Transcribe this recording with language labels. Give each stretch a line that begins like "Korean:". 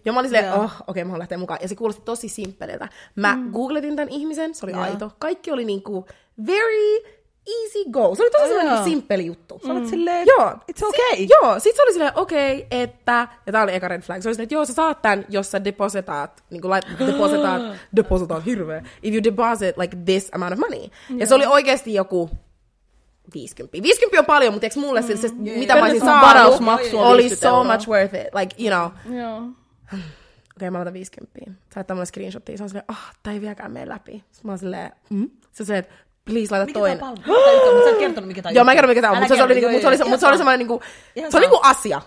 Finnish: Ja mä olin silleen, okei, mä haluan lähteä mukaan. Ja se kuulosti tosi simppeliltä. Mä googletin tämän ihmisen, se oli aito. Kaikki oli niinku
English: very easy go.
Finnish: Se oli tosi sellainen simppeli juttu. Sä olet silleen, joo.
English: It's okay.
Finnish: Joo, sit se oli silleen, okei, että... Ja tää oli eka
English: red flag.
Finnish: Se oli silleen, että joo, sä saat tän, jos sä depositaat, niinku depositaat hirveä.
English: If you deposit like this amount of money.
Finnish: Ja se oli oikeesti joku... 50. 50 on paljon, mutta eikö mulle se mitä mä olisin saanut, oli
English: so much worth it. Like, you know. Yeah.
Finnish: Okei, mä laitan 50. Sä laittaa mulle screenshotia. Se on silleen, tää ei vieläkään mene läpi. Sitten mä oon silleen, Se on silleen, että please laita mikä toinen. Mikä tää palvelu? Mä en kertonut, mikä tää on. Joo, mä en kertonut, mikä tää on. Mutta se oli semmoinen, niinku, se on niinku asia.